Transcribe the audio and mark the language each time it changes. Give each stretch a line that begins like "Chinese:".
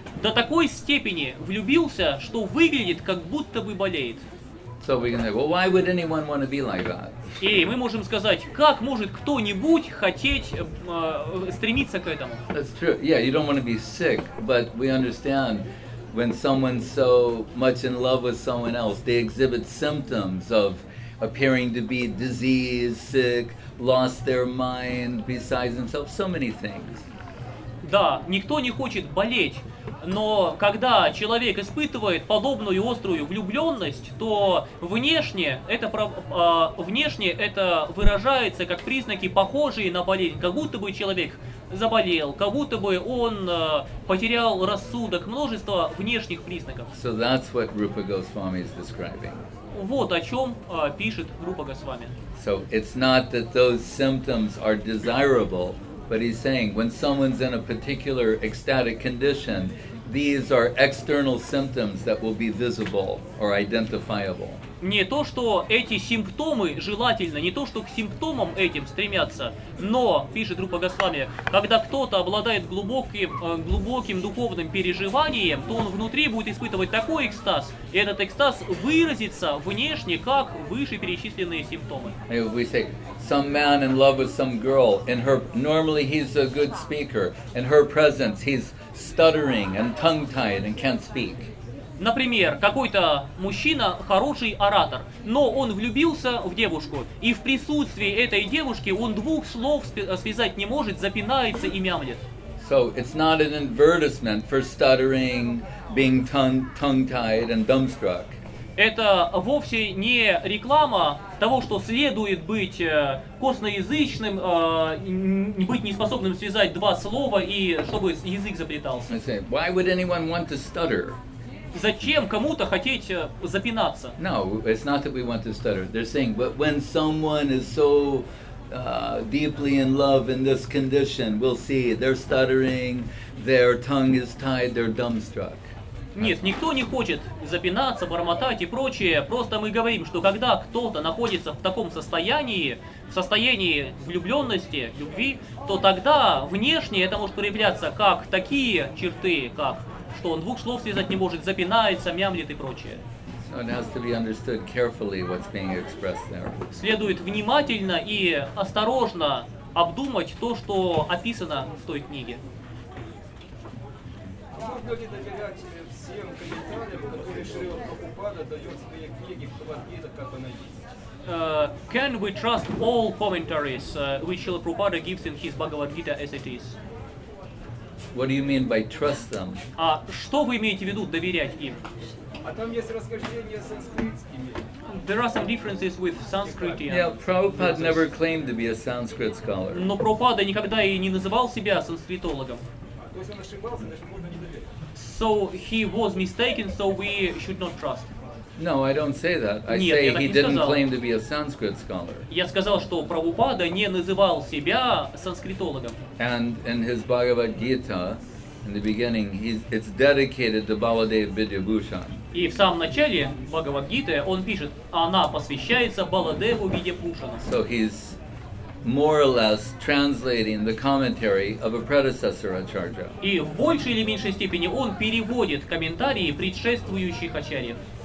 Russian: До такой степени влюбился, что выглядит, как будто бы болеет.
English: So we can say, well, why would anyone want to be like that?
Russian: И мы можем сказать, как может кто-нибудь хотеть стремиться к этому?
English: That's true. Yeah, you don't want to be sick, but we understand when someone's so much in love with someone else, they exhibit symptoms of appearing to be diseased, sick, lost their mind, besides themselves, so many things.
Russian: Да, никто не хочет болеть. Но когда человек испытывает подобную острую влюбленность, то внешне это выражается как признаки, похожие на болезнь, как будто бы человек заболел, как будто бы он потерял рассудок, множество внешних признаков.
English: So that's what Rupa Goswami is describing.
Russian: Вот о чем пишет Рупа Госвами.
English: So it's not that those symptoms are desirable, But he's saying when someone's in a particular ecstatic condition, these are external symptoms that will be visible or identifiable.
Russian: Не то, что эти симптомы желательно, не то, что к симптомам этим стремятся, но, пишет Рупа Госвами, когда кто-то обладает глубоким духовным переживанием, то он внутри будет испытывать такой экстаз, и этот экстаз выразится внешне, как вышеперечисленные симптомы.
English: We say, some man in love with some girl, and her, normally he's a good speaker, in her presence he's stuttering and tongue-tied and can't speak.
Russian: Например, какой-то мужчина хороший оратор, но он влюбился в девушку, и в присутствии этой девушки он двух слов связать не может, запинается и мямлит.
English: So it's not an advertisement for stuttering, being tongue-tied and dumbstruck.
Russian: Это вовсе не реклама того, что следует быть косноязычным, быть неспособным связать два слова и чтобы язык заплетался.
English: I say, why would anyone want to stutter?
Russian: Зачем кому-то хотеть запинаться?
English: No, it's not that we want to stutter. They're saying, but when someone is so deeply in love in this condition, we'll see, they're stuttering, their tongue is tied, they're dumbstruck.
Russian: Нет, никто не хочет запинаться, бормотать и прочее. Просто мы говорим, что когда кто-то находится в таком состоянии, в состоянии влюбленности, любви, то тогда внешне это может проявляться как такие черты, как что он двух слов связать не может, запинается, мямлит и прочее.
English: So it has to be understood carefully what's being expressed there.
Russian: Следует внимательно и осторожно обдумать то, что описано в той книге. Можно ли доверять всем комментариям, которые Шрила Прабхупада дает в своей книге, кто в ответах, как она есть?
English: Can we trust all commentaries which Шрила Прабхупада gives in his Bhagavad Gita as it is? What do you mean by trust them?
Russian: А что вы имеете в виду доверять им? А там есть расхождения с санскритскими.
English: There are some differences with Sanskrit. Yeah, Prabhupada never claimed to be a Sanskrit scholar.
Russian: Но Прабхупада никогда и не называл себя санскритологом. То есть он ошибался, значит, можно не доверять. So he was mistaken, so we should not trust.
English: No, I don't say that. I
Russian: Нет,
English: say he didn't
Russian: сказал.
English: Claim to be a Sanskrit scholar.
Russian: Я сказал, что Прабхупада не называл себя санскритологом.
English: And in his Bhagavad Gita, in the beginning, it's dedicated to Baladev Vidyabhushan.
Russian: И в самом начале Bhagavad Gita он пишет, она посвящается Баладеву Видьябхушану.
English: So he's more or less translating the commentary of a predecessor acharya.
Russian: И в большей или меньшей степени он переводит комментарии предшествующих ачарьев.